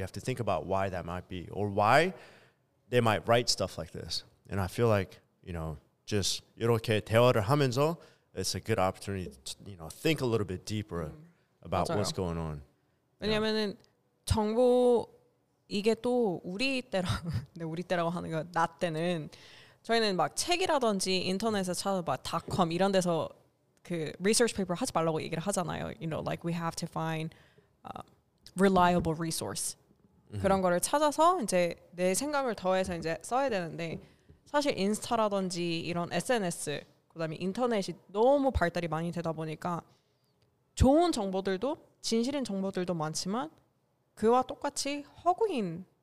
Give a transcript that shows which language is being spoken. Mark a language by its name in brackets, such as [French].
[English] You have to think about why that might be or why they might write stuff like this. And I feel like You know, just [Korean] 이렇게 대화를 하면서 [English] it's a good opportunity to, you know, think a little bit deeper about [Korean] 맞아요. [English] what's going on. [Korean] 왜냐면은 정보 이게 또 우리 때랑 네, 우리 때라고 하는 거 나 때는 저희는 막 책이라든지 인터넷에 찾아봐 닷컴 이런 데서 그 research paper 하지 말라고 얘기를 하잖아요. [English] You know, like we have to find reliable resource. [Korean] 그런 거를 찾아서 이제 내 생각을 더해서 이제 써야 되는데 사실 인스타라든지 이런 SNS 그다음에 인터넷이 너무 발달이 많이 되다 보니까 좋은 정보들도 진실인 정보들도 많지만 그와 똑같이 허구인